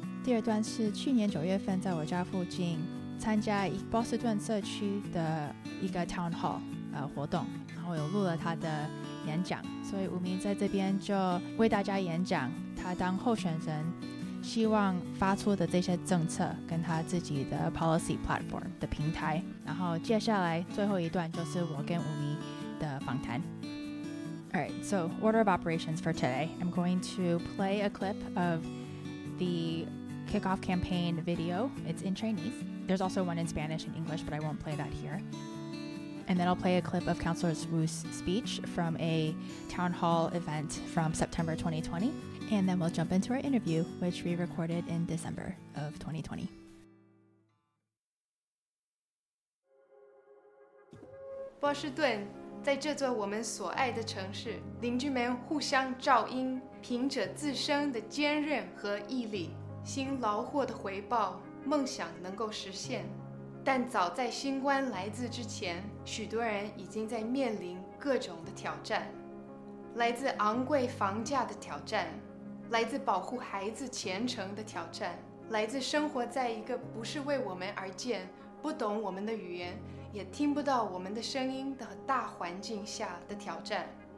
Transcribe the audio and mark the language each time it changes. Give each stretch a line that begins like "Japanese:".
Chinese: 第二段是去年九月份在我家附近参加波士顿社区的一个 town hall 活动，然后有录了他的演讲，所以吴迷在这边就为大家演讲他当候选人希望发出的这些政策跟他自己的 policy platform 的平台，然后接下来最后一段就是我跟吴迷的访谈。
English: Alright, so order of operations for today, I'm going to play a clip of the kickoff campaign video. It's in Chinese. There's also one in Spanish and English, but I won't play that here. And then I'll play a clip of Councilor Wu's speech from a town hall event from September 2020. And then we'll jump into our interview, which we recorded in December of 2020.
Chinese: Boston, 在这座我们所爱的城市，邻居们互相照应，凭着自身的坚韧和毅力，辛劳获的回报，梦想能够实现。但早在新冠来自之前，许多人已经在面临各种的挑战，来自昂贵房价的挑战，来自保护孩子前程的挑战，来自生活在一个不是为我们而建，不懂我们的语言，也听不到我们的声音的大环境下的挑战。